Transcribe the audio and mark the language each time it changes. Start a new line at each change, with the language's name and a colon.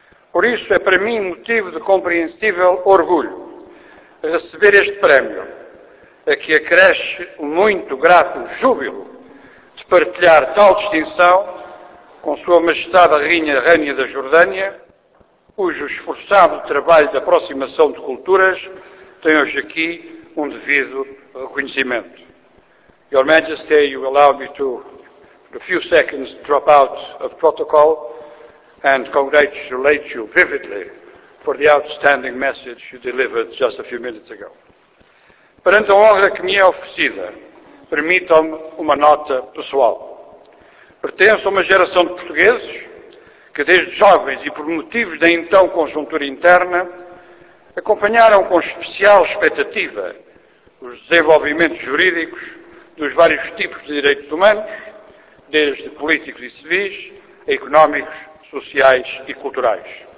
Portuguese: Por isso é para mim motivo de compreensível orgulho receber este prémio, a que acresce um muito grato júbilo de partilhar tal distinção com Sua Majestade a Rainha Rânia da Jordânia, cujo esforçado trabalho de aproximação de culturas tem hoje aqui um devido reconhecimento.
English: Your Majesty, you allow me to, for a few seconds, drop out of protocol and congratulate you vividly for the outstanding message you delivered just a few minutes ago.
Portuguese: Perante a honra que me é oferecida, permitam-me uma nota pessoal. Pertenço a uma geração de portugueses que desde jovens e por motivos da então conjuntura interna, acompanharam com especial expectativa os desenvolvimentos jurídicos dos vários tipos de direitos humanos, desde políticos e civis, a económicos, sociais e culturais.